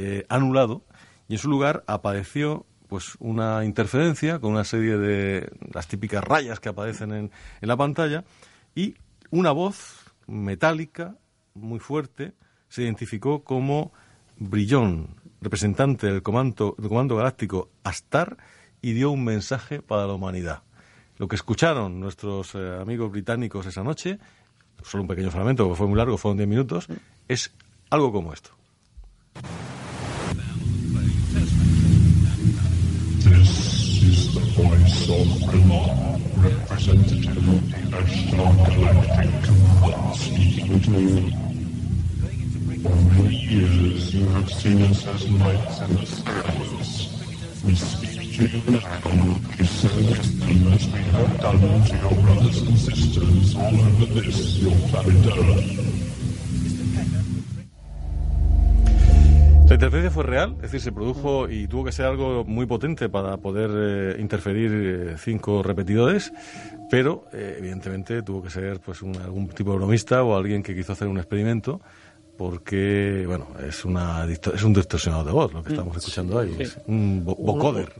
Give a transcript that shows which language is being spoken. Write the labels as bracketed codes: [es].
[es] anulado, y en su lugar apareció pues una interferencia con una serie de las típicas rayas que aparecen en la pantalla, y una voz metálica, muy fuerte, se identificó como Brillón, representante del comando galáctico Astar, y dio un mensaje para la humanidad. Lo que escucharon nuestros amigos británicos esa noche, solo un pequeño fragmento, porque fue muy largo, fueron 10 minutos, es algo como esto. [en] This is the voice of Brillon, representative of the Astar Galactic Command, speaking to you. For many years you have seen us as knights in the skies. We speak to you now on the service team as we have done to your brothers and sisters all over this, your planet Earth. [es] La interferencia fue real, es decir, se produjo y tuvo que ser algo muy potente para poder interferir 5 repetidores, pero evidentemente tuvo que ser pues algún tipo de bromista o alguien que quiso hacer un experimento, porque, bueno, es un distorsionado de voz lo que estamos escuchando ahí, es un vocoder.